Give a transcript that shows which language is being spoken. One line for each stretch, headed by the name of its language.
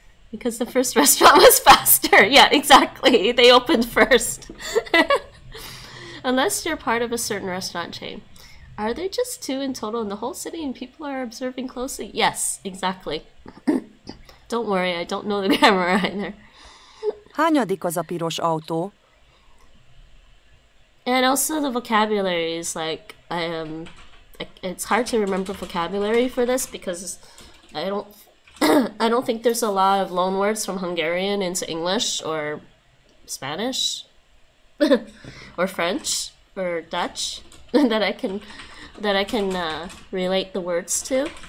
English: Because the first restaurant was faster. Yeah, exactly. They opened first. Unless you're part of a certain restaurant chain. Are there just two in total in the whole city and people are observing closely? Yes, exactly. Don't worry, I don't know the grammar either.
Hungarian: Hányadik az a piros autó?
English: And also the vocabulary is like, it's hard to remember vocabulary for this because I don't think there's a lot of loan words from Hungarian into English or Spanish or French or Dutch that I can relate the words to.